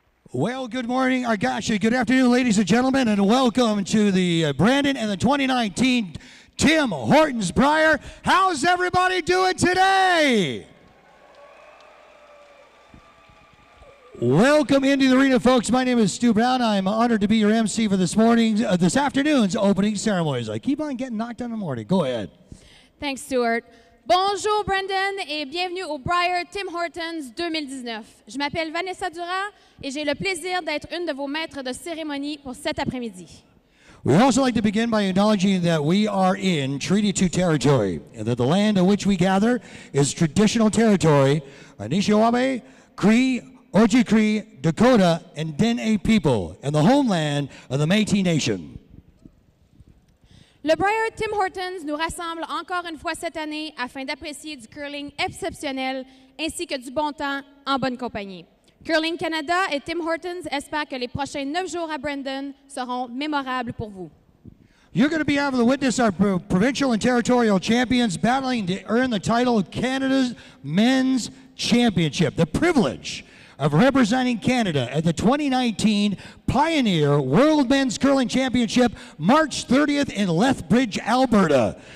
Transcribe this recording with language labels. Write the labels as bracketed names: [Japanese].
[English] Well, good morning, or gosh, good afternoon, ladies and gentlemen, and welcome to the Brandon and the 2019 Tim Hortons Brier. How's everybody doing today? Welcome into the arena, folks. My name is Stu Brown. I'm honored to be your MC for this afternoon's opening ceremonies. I keep on getting knocked on the morning. Go ahead. Thanks, Stuart. [French] Bonjour, Brandon, et bienvenue au Brier Tim Hortons 2019. Je m'appelle Vanessa Durand, et j'ai le plaisir d'être une de vos maîtres de cérémonie pour cet après-midi. [English] We'd also like to begin by acknowledging that we are in Treaty 2 territory, and that the land on which we gather is traditional territory, Anishinaabe, Cree, Ojibwe, Dakota, and Dene people, and the homeland of the Métis Nation. [French] Le Brier Tim Hortons nous rassemble encore une fois cette année afin d'apprécier du curling exceptionnel ainsi que du bon temps en bonne compagnie. Curling Canada et Tim Hortons espèrent que les prochains 9 jours à Brandon seront mémorables pour vous. [English] You're going to be able to witness our provincial and territorial champions battling to earn the title of Canada's Men's Championship. The privilege of representing Canada at the 2019 Pioneer World Men's Curling Championship, March 30th in Lethbridge, Alberta.